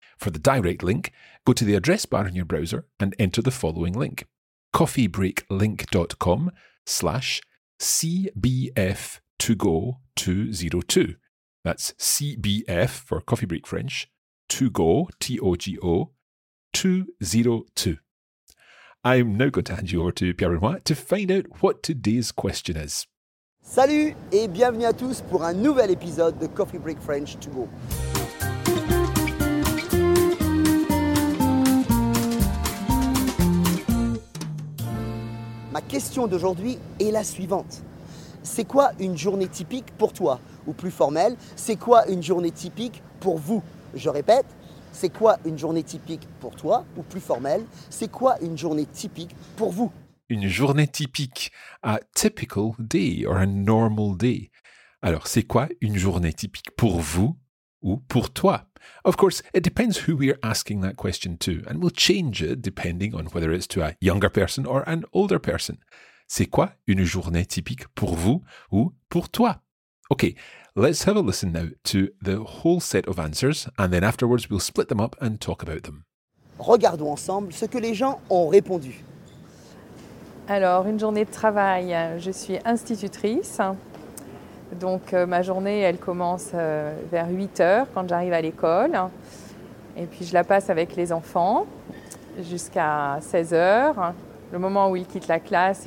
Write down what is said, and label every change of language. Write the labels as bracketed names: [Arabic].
[English] For the direct link, go to the address bar in your browser and enter the following link, coffeebreaklink.com/CBF2Go202. That's CBF for Coffee Break French, TOGO, T-O-G-O, 202. I'm now going to hand you over to Pierre Renoir to find out what today's question is. [French] Salut et bienvenue à tous pour un nouvel épisode de Coffee Break French To Go. Ma question d'aujourd'hui est la suivante. C'est quoi une journée typique pour toi? Ou plus formelle, c'est quoi une journée typique pour vous? Je répète. C'est quoi une journée typique pour toi? Ou plus formelle, c'est quoi une journée typique pour vous? Une journée typique, [English] a typical day or a normal day. [French] Alors, c'est quoi une journée typique pour vous ou pour toi? [English] Of course, it depends who we're asking that question to, and we'll change it depending on whether it's to a younger person or an older person. [French] C'est quoi une journée typique pour vous ou pour toi? [English] Okay, let's have a listen now to the whole set of answers, and then afterwards we'll split them up and talk about them. [French] Regardons ensemble ce que les gens ont répondu. Alors, une journée de travail. Je suis institutrice. Donc, ma journée, elle commence vers 8 heures quand j'arrive à l'école. Et puis, je la passe avec les enfants jusqu'à 16 heures, le moment où ils quittent la classe.